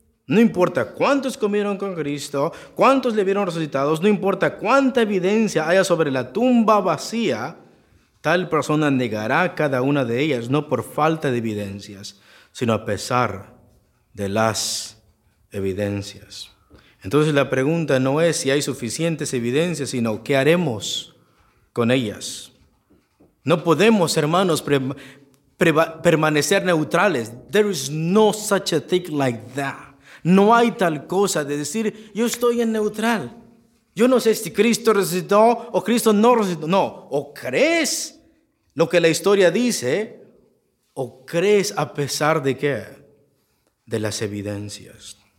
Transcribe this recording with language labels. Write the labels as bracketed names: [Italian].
[Spanish] No importa cuántos comieron con Cristo, cuántos le vieron resucitados, no importa cuánta evidencia haya sobre la tumba vacía, tal persona negará cada una de ellas, no por falta de evidencias, sino a pesar de las evidencias. Entonces la pregunta no es si hay suficientes evidencias, sino qué haremos con ellas. No podemos, hermanos, permanecer neutrales. [English] There is no such a thing like that. [Spanish] No hay tal cosa de decir, yo estoy en neutral. Yo no sé si Cristo resucitó o Cristo no resucitó. No, o crees lo que la historia dice, o crees a pesar de qué, de las evidencias.